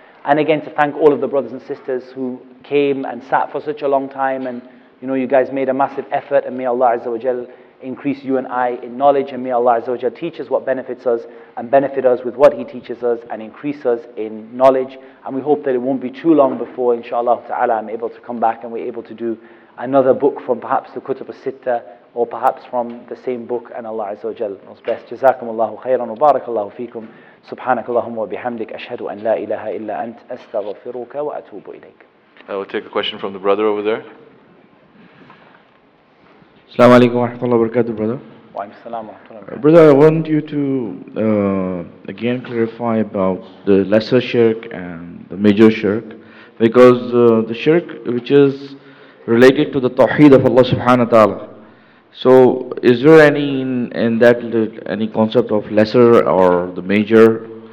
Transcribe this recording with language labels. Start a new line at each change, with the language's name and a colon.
English: And again, to thank all of the brothers and sisters who came and sat for such a long time, and you know, you guys made a massive effort, and may Allah Azza wa Jal increase you and I in knowledge, and may Allah Azza wa Jal teach us what benefits us and benefit us with what He teaches us and increase us in knowledge. And we hope that it won't be too long before, inshallah ta'ala, I'm able to come back and we're able to do another book from perhaps the Kutub al-Sitta, or perhaps from the same book, and Allah Azza wa Jal knows best.
Arabic: Jazakumullahu khairan wa barakallahu feekum. سبحانك اللهم وبحمدك أشهد أن لا إله إلا أنت أستغفرك وأتوب إليك.
English: I will take a question from the brother over there.
Arabic: السلام عليكم ورحمة الله وبركاته, brother. وعليكم السلام ورحمة الله وبركاته.
English: Brother, I want you to again clarify about the lesser shirk and the major shirk, because the shirk which is related to the tawheed of Allah Subhanahu wa Taala. So, is there any in that any concept of lesser or the major?